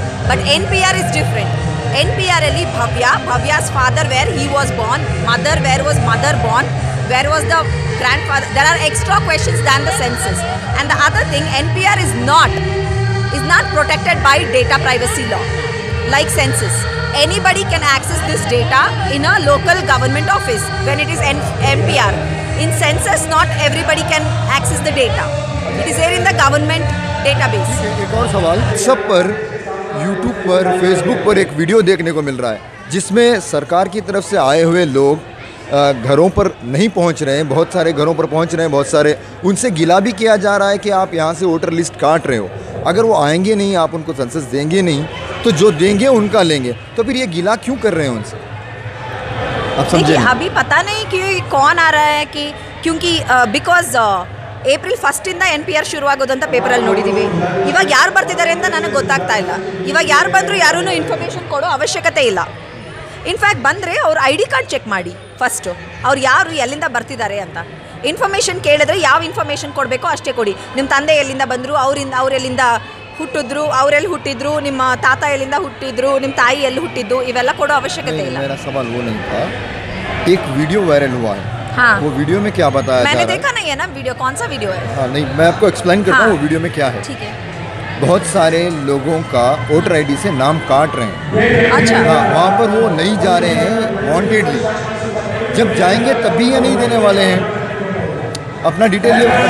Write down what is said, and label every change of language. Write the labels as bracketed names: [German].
[English] But N P R is different. N P R ಅಲ್ಲಿ Bhavya, Bhavya's father where he was born, mother where was mother born, where was the grandfather, there are extra questions than the census. And the other thing, N P R is not protected by data privacy law like census. Anybody can access this data in a local government office when it is NPR. In census, not everybody can access the data. It is there in the government database. [Hindi] एक और सवाल, सब पर YouTube पर, Facebook पर एक video देखने को मिल रहा है जिसमें सरकार की तरफ से आए हुए लोग घरों पर नहीं पहुंच रहे हैं, बहुत सारे घरों पर पहुंच रहे हैं, बहुत सारे उनसे गिला भी किया जा रहा है कि आप यहां से वोटर लिस्ट काट रहे हो, अगर वो आएंगे नहीं, आप उनको सेंसस देंगे नहीं, तो जो देंगे उनका लेंगे, तो फिर ये गिला क्यों कर रहे हैं उनसे? अब समझे, अभी पता नहीं कि कौन आ रहा है कि, क्योंकि बिकॉज April 1st [Kannada] ಇಂದ ಎನ್ ಪಿ ಆರ್ ಶುರುವಾಗೋದಂತ ಪೇಪರ್ ಅಲ್ಲಿ ನೋಡಿದೀವಿ. ಇವಾಗ ಯಾರು ಬರ್ತಿದ್ದಾರೆ ಅಂತ ನನಗೆ ಗೊತ್ತಾಗ್ತಾ ಇಲ್ಲ. ಇವಾಗ ಯಾರು ಬಂದರೂ ಯಾರೂ ಇನ್ಫಾರ್ಮೇಶನ್ ಕೊಡೋ ಅವಶ್ಯಕತೆ ಇಲ್ಲ. ಇನ್ಫ್ಯಾಕ್ಟ್ ಬಂದರೆ ಅವ್ರ ಐ ಡಿ ಕಾರ್ಡ್ ಚೆಕ್ ಮಾಡಿ ಫಸ್ಟು, ಅವ್ರು ಯಾರು ಎಲ್ಲಿಂದ ಬರ್ತಿದ್ದಾರೆ ಅಂತ. ಇನ್ಫಾರ್ಮೇಶನ್ ಕೇಳಿದ್ರೆ ಯಾವ ಇನ್ಫಾರ್ಮೇಶನ್ ಕೊಡಬೇಕೋ ಅಷ್ಟೇ ಕೊಡಿ. ನಿಮ್ಮ ತಂದೆ ಎಲ್ಲಿಂದ ಬಂದರು, ಅವರೆಲ್ಲಿಂದ ಹುಟ್ಟಿದ್ರು, ಅವರೆಲ್ಲಿ ಹುಟ್ಟಿದ್ರು, ನಿಮ್ಮ ತಾತ ಎಲ್ಲಿಂದ ಹುಟ್ಟಿದ್ರು, ನಿಮ್ಮ ತಾಯಿ ಎಲ್ಲಿ ಹುಟ್ಟಿದ್ದು, ಇವೆಲ್ಲ ಕೊಡೋ ಅವಶ್ಯಕತೆ ಇಲ್ಲ. [Hindi] हाँ, वो वीडियो में क्या बताया? मैंने देखा नहीं है ना वीडियो, कौन सा वीडियो है? हाँ, नहीं, मैं आपको एक्सप्लेन करता हूँ वो वीडियो में क्या है. ठीक है. बहुत सारे लोगों का वोटर आईडी से नाम काट रहे हैं. अच्छा. हाँ, वहाँ पर वो नहीं जा रहे हैं वांटेडली, जब जाएंगे तभी ये नहीं देने वाले हैं अपना डिटेल.